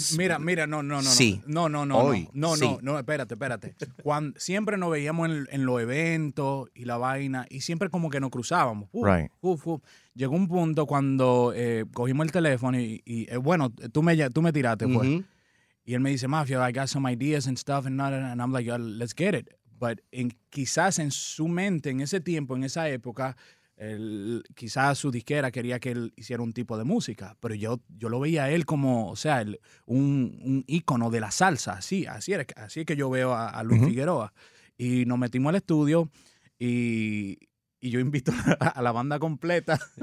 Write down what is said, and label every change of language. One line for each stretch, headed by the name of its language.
Spanish: Mira, no. Sí. No, espérate. Cuando, siempre nos veíamos en los eventos y la vaina, y siempre como que nos cruzábamos. Llegó un punto cuando cogimos el teléfono y tú me tiraste, pues. Y él me dice,
English: Mafia, I got some ideas and stuff, and I'm like, let's get it. But
Spanish: quizás en su mente, en ese tiempo, en esa época... quizás su disquera quería que él hiciera un tipo de música, pero yo lo veía a él como, o sea, un ícono de la salsa, así es que yo veo a Luis Figueroa. Y nos metimos al estudio y yo invito a la banda completa.